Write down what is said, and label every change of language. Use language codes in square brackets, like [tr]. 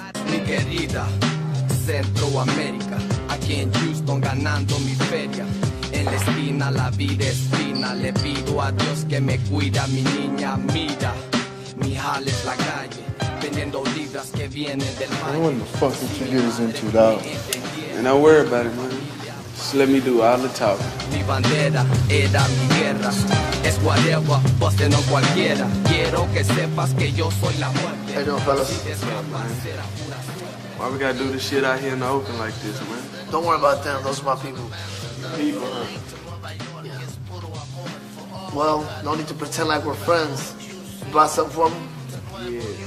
[es] Mi querida, Centroamérica, aquí en Houston ganando mi feria. En la esquina la vida es fina, le pido a Dios que me cuida, mi niña. Mira, mi jale es la calle, vendiendo libras que vienen del mar. [en] I don't know what the fuck that you get us into, dog. And don't worry about it, man. Just let me do all the talking. [es] Mi bandera era mi guerra, es whatever, busting on cualquiera. Quiero que sepas que yo soy la muerte. [en] Hey, yo, fellas. Why we gotta do this shit out here in the open like this, man? Don't worry about them. Those are my people. People, huh? Yeah. Well, no need to pretend like we're friends. You brought something for me?